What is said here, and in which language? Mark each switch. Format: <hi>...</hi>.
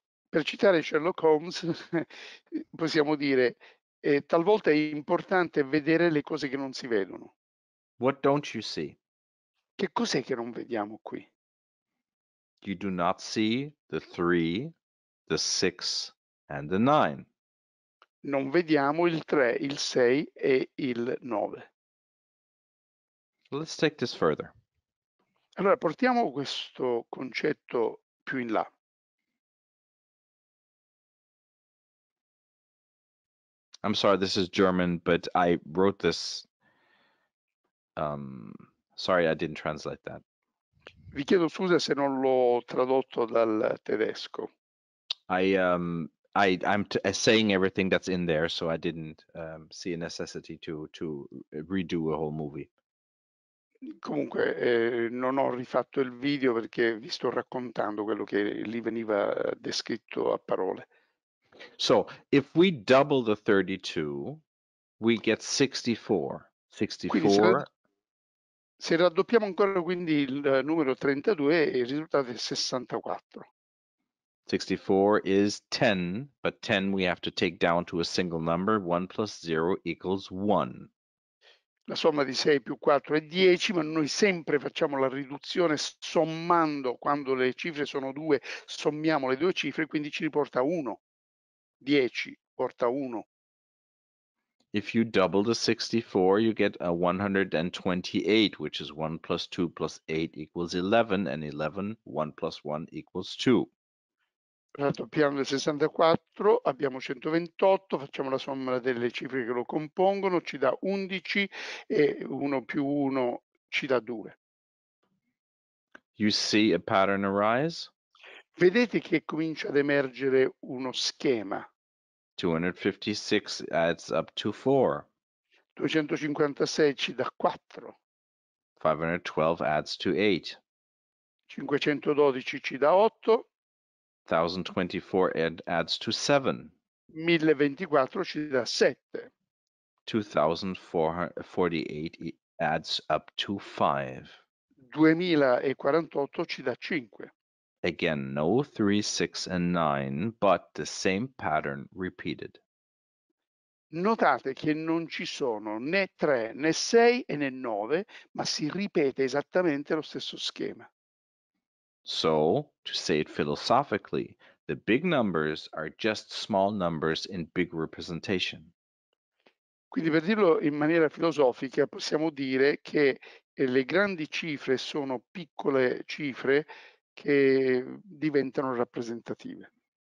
<it>Per citare Sherlock Holmes, possiamo dire, talvolta è importante vedere le cose che non si vedono.</it> <en>What don't you see?</en> <it>Che cos'è che non vediamo qui?</it> <en>You do not see the 3, the 6, and the 9.</en> <it>Non vediamo il 3, il 6 e il 9.</it> <en>Let's take this further.</en> <it>Allora, portiamo questo concetto più in là.</it> <en>I'm sorry, this is German, but I wrote this. I didn't translate that.</en> <it>Vi chiedo scusa se non l'ho tradotto dal tedesco.</it> <en>I'm saying everything that's in there, so I didn't see a necessity to redo a whole movie.</en> <it>Comunque, non ho rifatto il video perché vi sto raccontando quello che lì veniva descritto a parole.</it> <en>So, if we double the 32, we get 64.</en> <it>Quindi se raddoppiamo ancora quindi il numero 32, il risultato è 64.</it> <en>64 is 10, but 10 we have to take down to a single number. 1 plus 0 equals 1.</en> <it>La somma di 6 più 4 è 10, ma noi sempre facciamo la riduzione sommando, quando le cifre sono 2, sommiamo le due cifre, quindi ci riporta 1. 10 porta 1.</it> <en>If you double the 64, you get a 128, which is 1 plus 2 plus 8 equals 11, and 11, 1 plus 1 equals 2.</en> <it>Raddoppiamo il 64, abbiamo 128, facciamo la somma delle cifre che lo compongono, ci dà 11 e 1 più 1 ci dà 2.</it> <en>You see a pattern arise?</en> <it>Vedete che comincia ad emergere uno schema.</it> <en>256 adds up to 4.</en> <it>256 ci dà 4.</it> <en>512 adds to 8.</en> <it>512 ci dà 8.</it> <en>1024 adds to 7.</en> <it>1024 ci dà 7.</it> <en>2048 adds up to 5.</en> <it>2048 ci dà 5.</it> <en>Again, no 3, 6 and 9, but the same pattern repeated.</en> <it>Notate che non ci sono né 3, né 6 e né 9, ma si ripete esattamente lo stesso schema.</it> <en>So, to say it philosophically, the big numbers are just small numbers in big representation.</en> <it>Quindi per dirlo in maniera filosofica possiamo dire che le grandi cifre sono piccole cifre che diventano rappresentative.</it>